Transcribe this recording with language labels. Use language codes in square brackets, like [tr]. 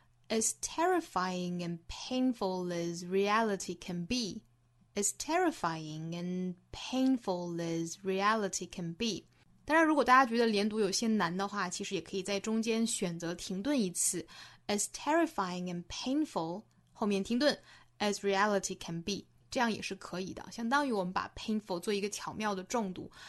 [en] As terrifying and painful as reality can be, as terrifying and painful as reality can be。 [zh] 当然如果大家觉得连读有些难的话，其实也可以在中间选择停顿一次。 [en] As terrifying and painful, [zh] 后面停顿 [en] as reality can be。 [zh] 这样也是可以的，相当于我们把 painful 做一个巧妙的重读。